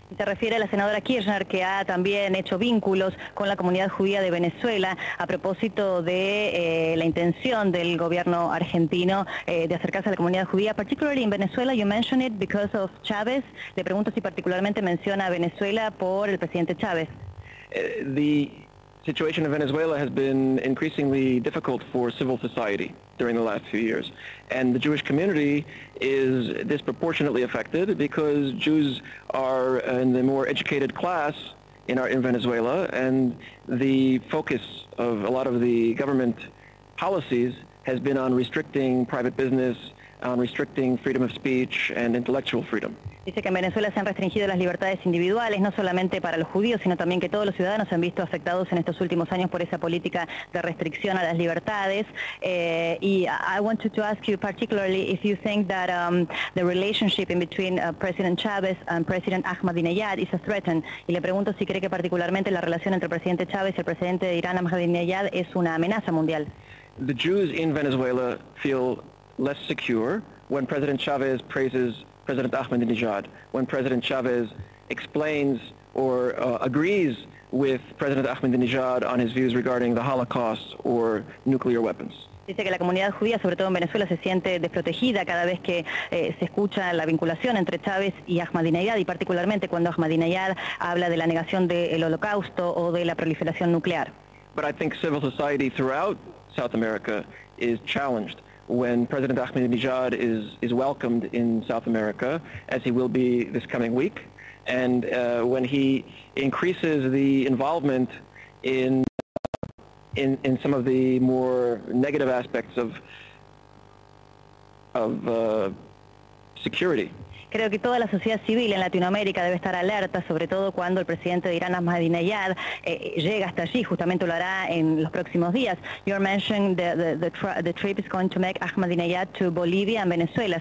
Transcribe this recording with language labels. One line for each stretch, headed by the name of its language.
Spanish: Se refiere a la senadora Kirchner, que ha también hecho vínculos con la comunidad judía de Venezuela a propósito de la intención del gobierno argentino de acercarse a la comunidad judía.
English: Particularly in Venezuela, you mentioned it because of Chávez.
Spanish: Le pregunto si particularmente menciona a Venezuela por el presidente Chávez.
English: The situation in Venezuela has been increasingly difficult for civil society during the last few years. And the Jewish community is disproportionately affected because Jews are in the more educated class in Venezuela, and the focus of a lot of the government policies has been on restricting private business, on restricting freedom of speech and intellectual freedom.
Spanish: Dice que en Venezuela se han restringido las libertades individuales, no solamente para los judíos, sino también que todos los ciudadanos se han visto afectados en estos últimos años por esa política de restricción a las libertades.
English: Y I wanted to ask you particularly if you think that the relationship in between President Chávez and President Ahmadinejad is a threat.
Spanish: Y le pregunto si cree que particularmente la relación entre el presidente Chávez y el presidente de Irán, Ahmadinejad, es una amenaza mundial.
English: The Jews in Venezuela feel less secure when President Chávez praises President Ahmadinejad, when President Chávez explains or agrees with President Ahmadinejad on his views regarding the Holocaust or nuclear weapons.
Spanish: Dice que la comunidad judía, sobre todo en Venezuela, se siente desprotegida cada vez que se escucha la vinculación entre Chávez y Ahmadinejad, y particularmente cuando Ahmadinejad habla de la negación del Holocausto o de la proliferación nuclear.
English: But I think civil society throughout South America is challenged when President Ahmadinejad is welcomed in South America, as he will be this coming week, and when he increases the involvement in some of the more negative aspects of security.
Spanish: Creo que toda la sociedad civil en Latinoamérica debe estar alerta, sobre todo cuando el presidente de Irán, Ahmadinejad, llega hasta allí. Justamente lo hará en los próximos días.
English: You're mentioning the trip is going to make Ahmadinejad to Bolivia and Venezuela.